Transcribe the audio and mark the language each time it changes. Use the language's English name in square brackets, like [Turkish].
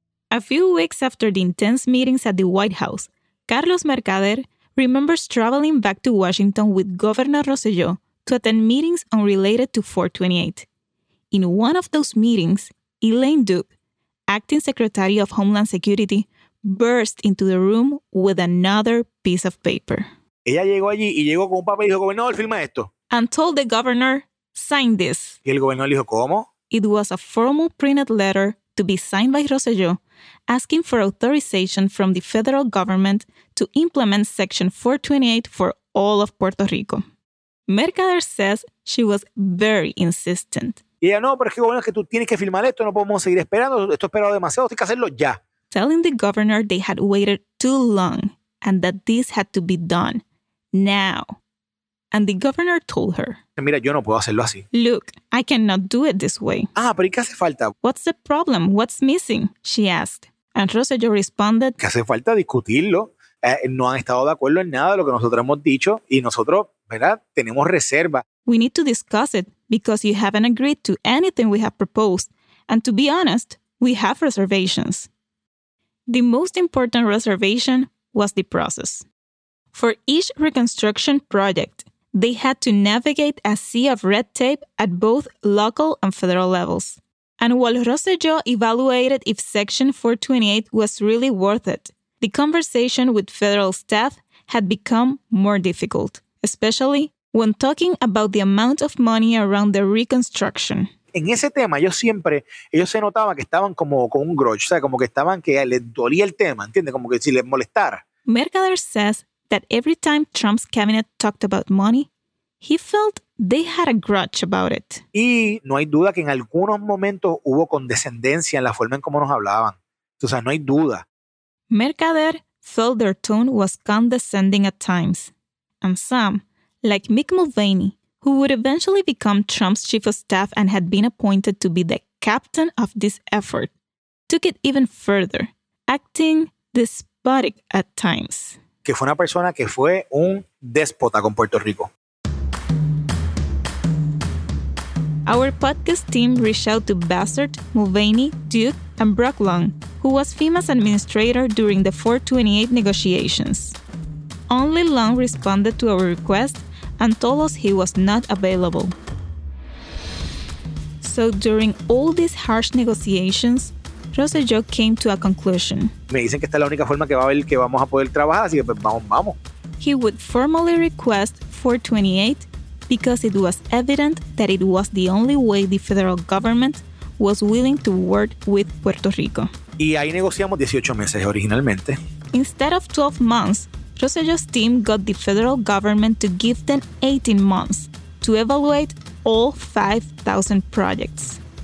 [English] A few weeks after the intense meetings at the White House, Carlos Mercader remembers traveling back to Washington with Governor Rosselló to attend meetings unrelated to 428. In one of those meetings, Elaine Duke, acting Secretary of Homeland Security, burst into the room with another piece of paper. [Spanish] Ella llegó allí y llegó con un papel y dijo, gobernador, firma esto. [English] And told the governor, sign this. [Spanish] Y el gobernador le dijo, ¿cómo? [English] It was a formal printed letter to be signed by Rosselló, asking for authorization from the federal government to implement Section 428 for all of Puerto Rico. Mercader says she was very insistent. [Spanish] Y ella, no, pero es que bueno, es que tú tienes que firmar esto, no podemos seguir esperando, esto esperado demasiado, tienes que hacerlo ya. [English] Telling the governor they had waited too long and that this had to be done now. And the governor told her, [Spanish] mira, yo no puedo hacerlo así. [English] Look, I cannot do it this way. [Spanish] Ah, pero ¿y qué hace falta? [English] What's the problem? What's missing? She asked. And Rosselló responded, [Spanish] que hace falta discutirlo. No han estado de acuerdo en nada de lo que nosotros hemos dicho y nosotros, ¿verdad?, tenemos reserva. [English] We need to discuss it because you haven't agreed to anything we have proposed. And to be honest, we have reservations. The most important reservation was the process. For each reconstruction project, they had to navigate a sea of red tape at both local and federal levels. And while Rosselló evaluated if Section 428 was really worth it, the conversation with federal staff had become more difficult, especially when talking about the amount of money around the reconstruction. [Spanish] En ese tema, ellos se notaban que estaban como con un [English] grudge, [Spanish] o sea, como que estaban que les dolía el tema, ¿entiendes? Como que si les molestara. [English] Mercader says that every time Trump's cabinet talked about money, he felt they had a grudge about it. [Spanish] Y no hay duda que en algunos momentos hubo condescendencia en la forma en cómo nos hablaban. O sea, no hay duda. [English] Mercader felt their tone was condescending at times. And some, like Mick Mulvaney, who would eventually become Trump's chief of staff and had been appointed to be the captain of this effort, took it even further, acting despotic at times. [Spanish] Que fue una persona que fue un déspota con Puerto Rico. [English] Our podcast team reached out to Bassert, Mulvaney, Duke, and Brock Long, who was FEMA's administrator during the 428 negotiations. Only Long responded to our request and told us he was not available. So during all these harsh negotiations, Roselló came to a conclusion. [Spanish] Me dicen que esta es la única forma que va a haber que vamos a poder trabajar, así que pues vamos, vamos. [English] He would formally request 428 because it was evident that it was the only way the federal government was willing to work with Puerto Rico. [Spanish] Y ahí negociamos 18 meses originalmente. [English] Instead of 12 months, Roselló's team got the federal government to give them 18 months to evaluate all 5,000 projects.